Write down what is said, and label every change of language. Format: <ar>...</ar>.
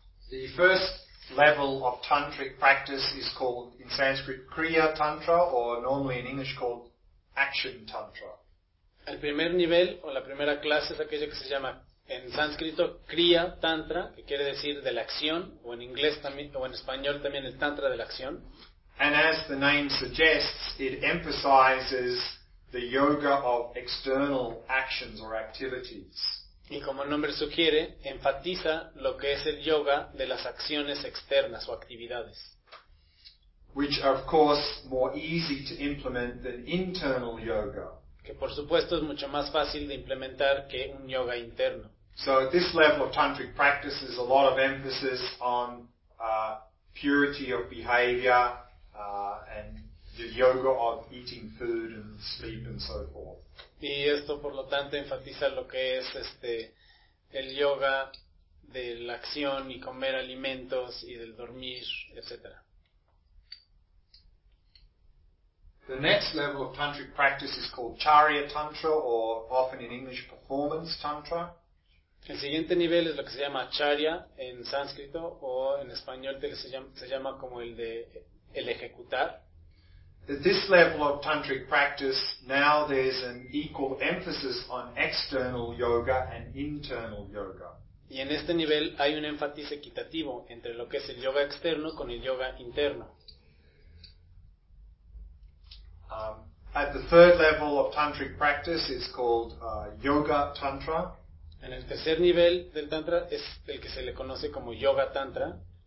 <en>The first level of tantric practice is called in Sanskrit Kriya Tantra, or normally in English called Action Tantra.</en> <es>El primer nivel o la primera clase es aquello que se llama en sánscrito Kriya Tantra, que quiere decir de la acción, o en inglés también, o en español también, el Tantra de la acción.</es> <en>And as the name suggests, it emphasizes the yoga of external actions or activities.</en> <es>Y como el nombre sugiere, enfatiza lo que es el yoga de las acciones externas o actividades.</es> <en>Which are of course more easy to implement than internal yoga.</en> <es>Que por supuesto es mucho más fácil de implementar que un yoga interno.</es> <en>So at this level of tantric practice is a lot of emphasis on purity of behavior and the yoga of eating food and sleep and so forth.</en> <es>Y esto por lo tanto enfatiza lo que es el yoga de la acción y comer alimentos y del dormir, etc.</es> <en>The next level of tantric practice is called Charya Tantra, or often in English, Performance Tantra.</en> <es>El siguiente nivel es lo que se llama Charya en sánscrito, o en español se llama como el de el ejecutar.</es> <en>At this level of tantric practice, now there's an equal emphasis on external yoga and internal yoga.</en> <es>Y en este nivel hay un énfasis equitativo entre lo que es el yoga externo con el yoga interno.</es> <en>At the third level of tantric practice is called Yoga Tantra.</en> <es>En el tercer nivel del tantra es el que se le conoce como Yoga Tantra.</es>